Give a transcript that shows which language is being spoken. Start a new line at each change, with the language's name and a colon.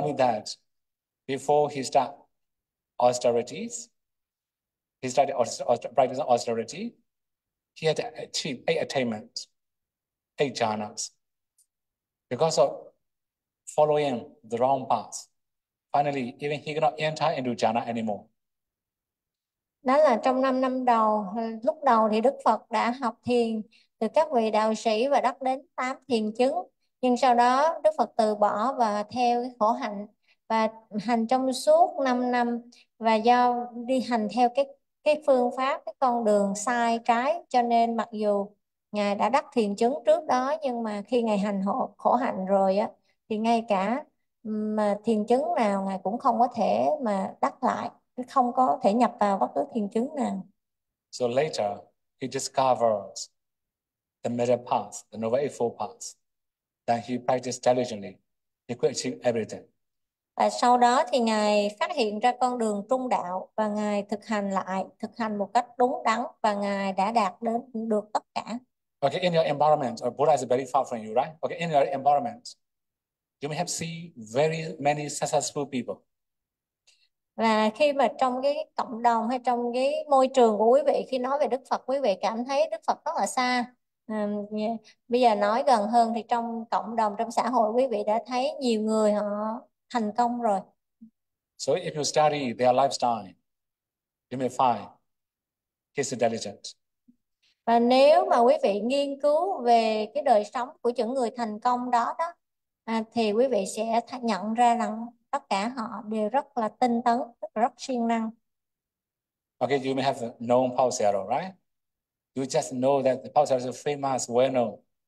English: only that, before he start austerities, he studied practice austerity. He had achieved 8 attainments, 8 jhanas. Because of following the wrong path, finally, even he cannot enter into jhana anymore.
Vietnamese: Trong 5 năm đầu, lúc đầu thì Đức Phật đã học thiền từ các vị đạo sĩ và đắc đến 8 thiền chứng. Nhưng sau đó Đức Phật từ bỏ và theo cái khổ hạnh và hành trong suốt 5 năm, và do đi hành theo cái phương pháp, cái con đường sai trái, cho nên mặc dù Ngài đã đắc thiền chứng trước đó, nhưng mà khi Ngài hành khổ hạnh rồi á, thì ngay cả mà thiền chứng nào Ngài cũng không có thể mà đắc lại, không có thể nhập vào bất cứ thiền chứng nào.
English: So later, he discovers the middle path, the Noble Eightfold Path. Then he practiced diligently. He could achieve everything.
Vietnamese: Và sau đó thì Ngài phát hiện ra con đường trung đạo và Ngài thực hành lại, thực hành một cách đúng đắn, và Ngài đã đạt đến được tất cả.
English: Okay, in your environment, or Buddha is very far from you, right? Okay, in your environment, you may have seen very many successful people.
Vietnamese: Và khi mà trong cái cộng đồng hay trong cái môi trường của quý vị, khi nói về Đức Phật, quý vị cảm thấy Đức Phật rất là xa. Bây giờ nói gần hơn thì trong cộng đồng, trong xã hội, quý vị đã thấy nhiều người họ thành công rồi.
English: So if you study their lifestyle, you may find he's intelligent.
Vietnamese: Và nếu mà quý vị nghiên cứu về cái đời sống của những người thành công đó đó, thì quý vị sẽ nhận ra rằng tất cả họ đều rất là tinh tấn, rất siêng năng.
English: Okay, you may have known Paul Theroux, right? You just know that Paul Theroux is a famous, well-known.